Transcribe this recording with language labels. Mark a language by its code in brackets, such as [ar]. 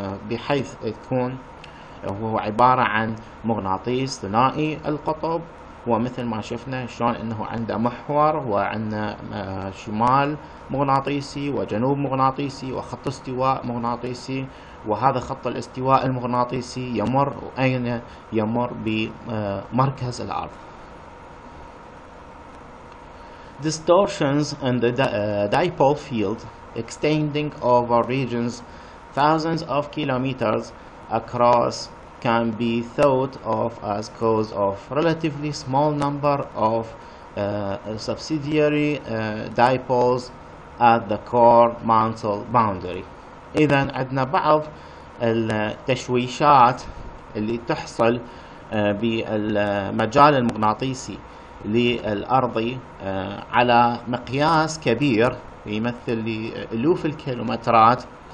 [ar] بحيث يكون هو عبارة عن مغناطيس ثنائي القطب، ومثل ما شفنا شلون انه عنده محور وعنده شمال مغناطيسي وجنوب مغناطيسي وخط استواء مغناطيسي، وهذا خط الاستواء المغناطيسي يمر أين يمر بمركز الأرض. [en] Distortions in the dipole field extending over regions thousands of kilometers across can be thought of as cause of relatively small number of subsidiary dipoles at the core mantle boundary. [ar] إذا عندنا بعض التشويشات اللي تحصل بالمجال المغناطيسي للأرضي على مقياس كبير يمثل لألوف الكيلومترات،